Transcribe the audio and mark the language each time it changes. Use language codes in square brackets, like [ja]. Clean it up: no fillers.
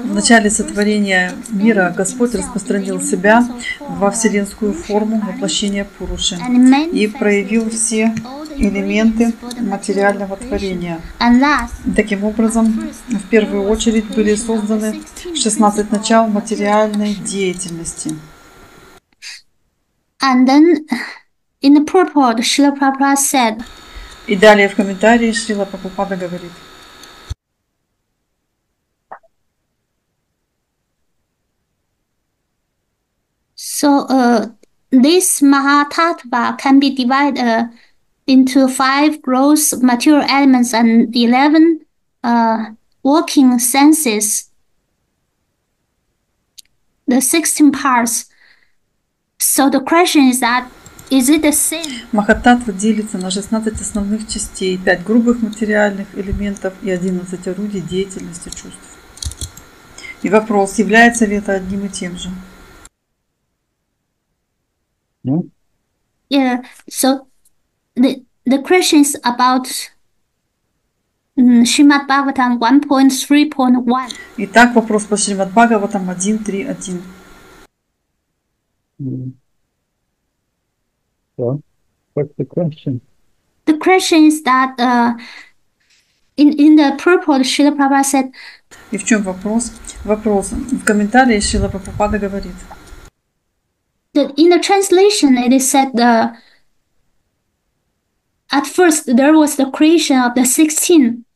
[ru] в начале сотворения мира Господь распространил Себя во вселенскую форму воплощения Пуруши и проявил все элементы материального творения. Таким образом, в первую очередь были созданы 16 начал материальной деятельности. [en] And then, in the purport, Srila Prabhupada said, [ru] И далее в комментарии Шрила Прабхупада говорит, [en] So, this Mahatattva can be divided into five gross material elements and 11 working senses, the 16 parts. So the question is that, is it the same? [ru] Махаттатва делится на 16 основных частей, 5 грубых материальных элементов и 11 орудий деятельности чувств. И вопрос, является ли это одним и тем же? [en] Yeah, so the question is about Srimad Bhagavatam 1.3.1. [ru] Итак, вопрос по Шримад Бхагаватам 1.3.1. [en] So, what's the question? The question is that in the purport, Srila Prabhupada said, [ru] И в чем вопрос? Вопрос. В комментарии Шрила Прабхупада говорит. [en] In the translation, it is said at first there was the creation of the 16